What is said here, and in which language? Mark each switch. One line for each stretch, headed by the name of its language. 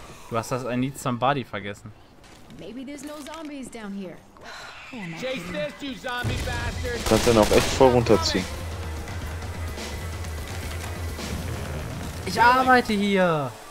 German: Du hast das
English: I need somebody
German: vergessen.
English: Maybe there's no zombies down here.
German: Du kannst dann auch echt voll runterziehen. Ich arbeite hier!